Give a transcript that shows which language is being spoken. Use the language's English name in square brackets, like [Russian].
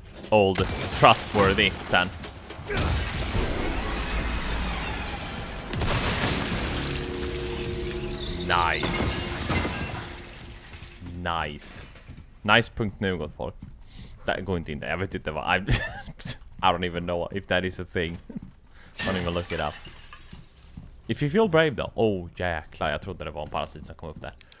[Swedish] Old Trustworthy sen. [English] Nice. [Swedish] Nice.nu, gott folk. Det går inte in där, jag vet inte vad... [English] I don't even know if that is a thing. Don't even look it up. If you feel brave though... [Swedish] Oh, jäklar, jag trodde det var en parasit som kom upp där.